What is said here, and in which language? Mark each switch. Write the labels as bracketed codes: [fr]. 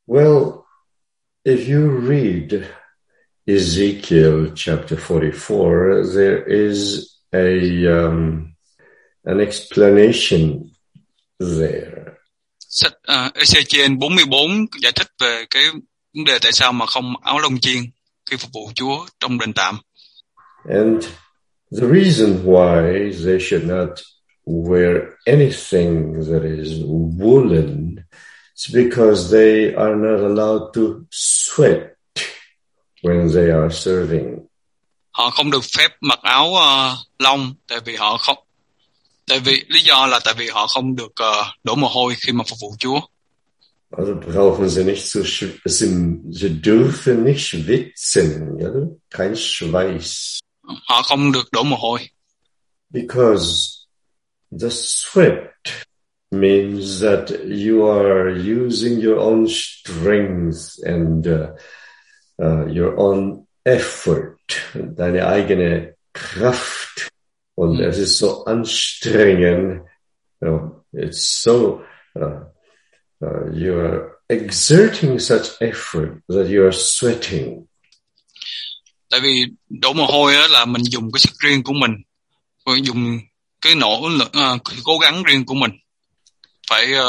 [en] Well, if you read Ezekiel chapter 44, there is an explanation there. [vi] Sách Ezechiel 44 giải thích về cái vấn đề tại sao mà không áo lông chiên khi phục vụ Chúa trong đền tạm. [en] And the reason why they should not wear anything that is woolen is because they are not allowed to sweat when they are serving. [vi] Họ không được phép mặc áo lông tại vì họ không tại vì lý do là tại vì họ không được đổ mồ hôi khi mà phục vụ Chúa. [de] Brauchen sie nicht zu schwitzen. Sie dürfen nicht schwitzen, ja? Kein Schweiß. [vi] Họ không được đổ mồ hôi. [en] Because the sweat means that you are using your own strength and your own effort, [de] deine eigene Kraft. Und es ist so anstrengend. [en] You are exerting such effort that you are sweating. [vi] Tại vì đổ mồ hôi á là mình dùng cái sức riêng của mình, mình dùng cái nỗ lực cố gắng riêng của mình phải